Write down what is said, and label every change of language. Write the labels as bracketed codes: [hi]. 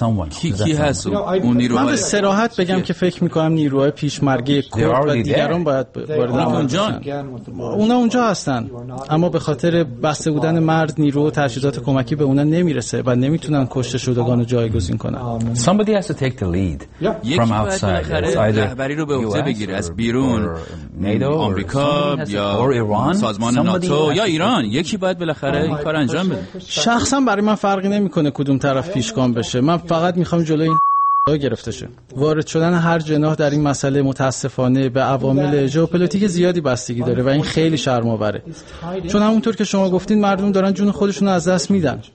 [fa] کی هست اون نیروها؟ من به صراحت بگم که فکر میکنم نیروهای پیشمرگه کرد و دیگران باید وارد عمل بشن. اونا اونجا هستن، اما به خاطر بسته بودن مرز نیرو و تجهیزات کمکی به اونا نمیرسه و نمیتونن کشته شدگان رو جایگزین کنن. [en] Somebody has to take the lead from outside. [fa] رهبری رو به عهده بگیره از بیرون، آمریکا یا سازمان ناتو یا ایران، یکی باید بالاخره این کار انجام بده. شخصا برای من فرقی نمیکنه کدوم طرف پیشگام بشه، من فقط میخوام جلوی این گرفته شه. وارد شدن هر جناح در این مسئله متاسفانه به عوامل ژئوپلیتیک زیادی بستگی داره و این خیلی شرم‌آوره، چون همونطور که شما گفتین مردم دارن جون خودشون رو از دست میدن.